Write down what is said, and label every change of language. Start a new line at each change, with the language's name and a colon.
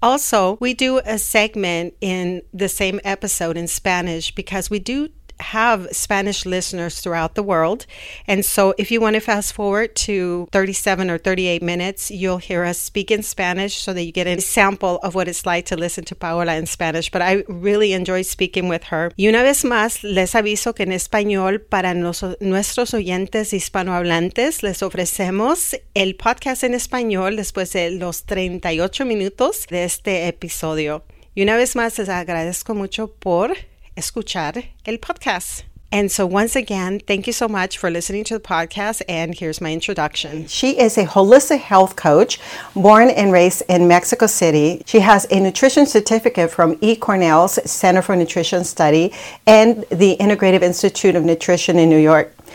English: Also, we do a segment in the same episode in Spanish because we do have Spanish listeners throughout the world. And so if you want to fast forward to 37 or 38 minutes, you'll hear us speak in Spanish so that you get a sample of what it's like to listen to Paola in Spanish. But I really enjoy speaking with her.
Spanish: Y una vez más, les aviso que en español para nuestros oyentes hispanohablantes, les ofrecemos el podcast en español después de los 38 minutos de este episodio. Y una vez más, les agradezco mucho por escuchar el podcast.
English: And so once again, thank you so much for listening to the podcast. And here's my introduction. She is a holistic health coach, born and raised in Mexico City. She has a nutrition certificate from E. Cornell's Center for Nutrition Study and the Integrative Institute of Nutrition in New York.